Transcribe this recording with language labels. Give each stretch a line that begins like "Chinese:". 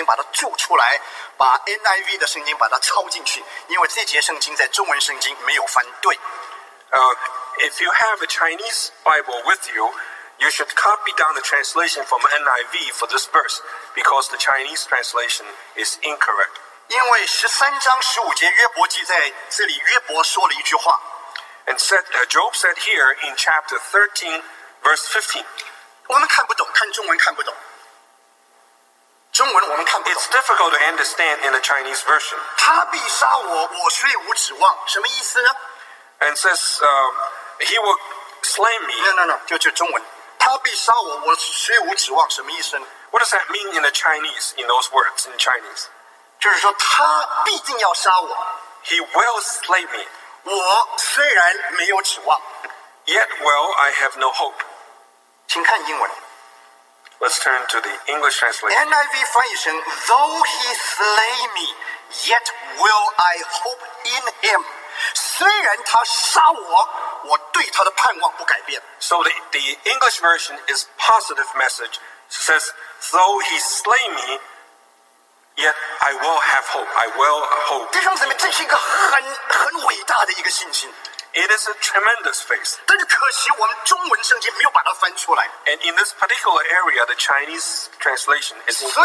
Chinese: 这节圣经，请你，如果你拿中文圣经的话，请你一定把这节圣经把它注出来，把 NIV 的圣经把它抄进去，因为这节圣经在中文圣经没有翻对。
English: If you have a Chinese Bible with you, you should copy down the translation from NIV for this verse because the Chinese translation is incorrect.
Chinese: 因为13章15节约伯记在这里，约伯说了一句话。
English: And said, Job said here in chapter 13, verse 15.
Chinese: 我们看不懂，看中文看不懂。中文我们看不懂。
English: It's difficult to understand in the Chinese version.
Chinese: 他必杀我，我虽无指望，什么意思呢？
English: And says, he will slay me. No,
Chinese: 就中文。他必杀我，我虽无指望，什么意思呢？
English: What does that mean in the Chinese, in those words, in Chinese?
Chinese: 就是说他必定要杀我。
English: He will slay me.
Chinese: 我虽然没有指望,
English: yet, well, I have no hope.
Chinese: 请看英文。
English: Let's turn to the English translation. NIV
Chinese: 翻译成,
English: though he slay me, yet will I hope in him.
Chinese: 虽然他杀我, 我对他的盼望不改变。
English: So the English version is positive message. It says, though he slay me, yet I will have hope. I will hope.
Chinese: 弟兄姊妹，这是一个很伟大的一个信心。
English: It is a tremendous faith.
Chinese: 但是可惜我们中文圣经没有把它翻出来。
English: And in this particular area, the Chinese translation is.